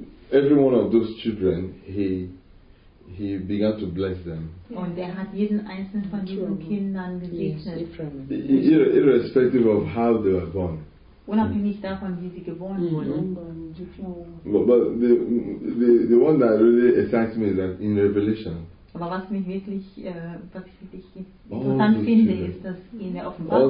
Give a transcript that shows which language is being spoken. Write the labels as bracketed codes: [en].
[en] Every one of those children, he began to bless them. [de] Und er hat jeden einzelnen von diesen Kindern gesegnet. [en] Yes, irrespective of how they were born. [de] Unabhängig davon, wie sie geboren wurden. [en] But the one that really excites me is that in Revelation. [de] Aber was mich wirklich interessant finde, ist, dass in der Offenbarung.